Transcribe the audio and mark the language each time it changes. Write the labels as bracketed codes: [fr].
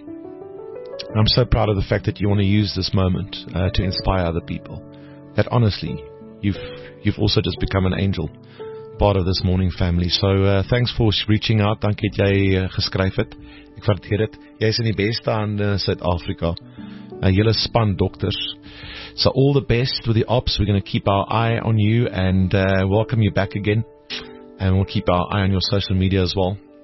[en] I'm so proud of the fact that you want to use this moment to inspire other people. That honestly, you've also just become an angel, part of this morning family. So thanks for reaching out. [af] Dankie dat jy geskryf het. Ek waardeer dit. Jy is in die beste hande in Suid-Afrika. Julle span dokters. [en] So all the best with the ops. We're going to keep our eye on you and welcome you back again. And we'll keep our eye on your social media as well.